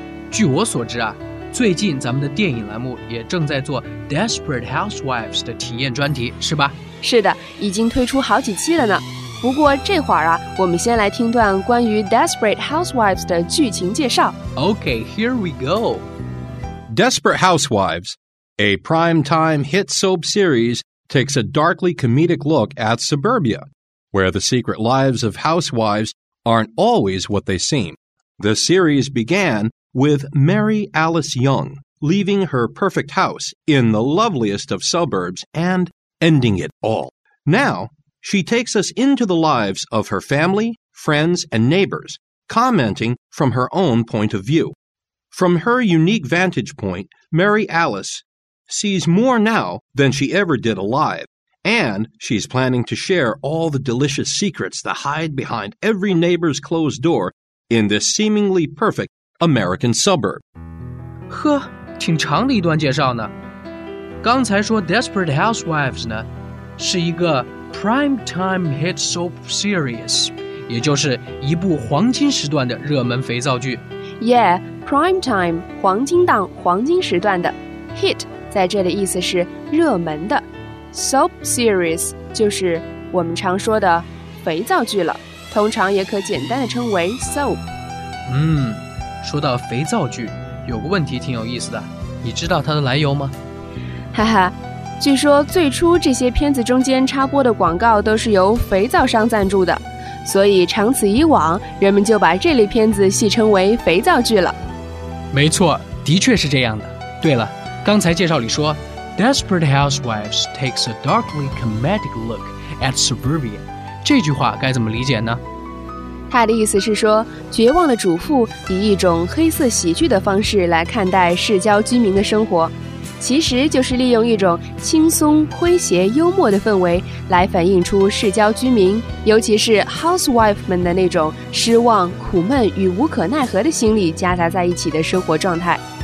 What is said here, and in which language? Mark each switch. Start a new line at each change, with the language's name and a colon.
Chinese: 据我所知啊，最近咱们的电影栏目也正在做《Desperate Housewives》的体验专题，是吧？是的，已经推出好几期了呢。不过这会儿啊，我们先来听段关于《Desperate Housewives》的剧情介绍。
English: Okay, here we go. Desperate Housewives, a prime-time hit soap series, takes a darkly comedic look at suburbia, where the secret lives of housewives aren't always what they seem. The series began with Mary Alice Young leaving her perfect house in the loveliest of suburbs and ending it all. Now, she takes us into the lives of her family, friends, and neighbors, commenting from her own point of view. From her unique vantage point, Mary Alice sees more now than she ever did alive, and she's planning to share all the delicious secrets that hide behind every neighbor's closed door in this seemingly perfect American suburb.
Chinese: 呵，挺长的一段介绍呢。刚才说 Desperate Housewives 呢，是一个
English: primetime hit soap series，
Chinese: 也就是一部黄金时段的热门肥皂剧。 Yeah, prime time, 黄金档、黄金时段的 hit 在这的意思是热门的 soap series 就是我们常说的肥皂剧了，通常也可简单的称为 soap。说到肥皂剧，有个问题挺有意思的，你知道它的来由吗？哈哈，据说最初这些片子中间插播的广告都是由肥皂商赞助的。所以长此以往，人们就把这类片子戏称为肥皂剧了。没错，的确是这样的。对了，刚才介绍里说
English: Desperate Housewives takes a darkly comedic look at suburbia，
Chinese: 这句话该怎么理解呢？他的意思是说，绝望的主妇以一种黑色喜剧的方式来看待市郊居民的生活，其实就是利用一种轻松、诙谐、幽默的氛围来反映出市郊居民，尤其是 housewife 们的那种失望、苦闷与无可奈何的心理夹杂在一起的生活状态。